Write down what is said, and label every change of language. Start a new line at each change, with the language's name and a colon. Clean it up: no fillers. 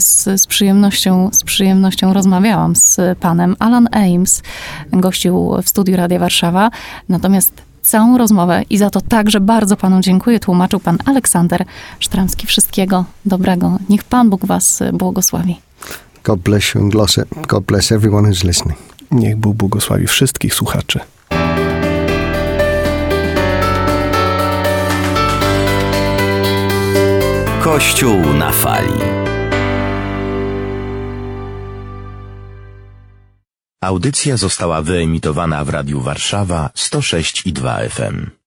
Polish: Z przyjemnością rozmawiałam z Panem. Alan Ames gościł w studiu Radia Warszawa. Natomiast całą rozmowę i za to także bardzo Panu dziękuję, tłumaczył Pan Aleksander Sztramski. Wszystkiego dobrego. Niech Pan Bóg Was błogosławi.
English: God bless you and God bless everyone who's listening.
Polish: Niech Bóg błogosławi wszystkich słuchaczy. Kościół na fali. Audycja została wyemitowana w Radiu Warszawa 106,2 FM.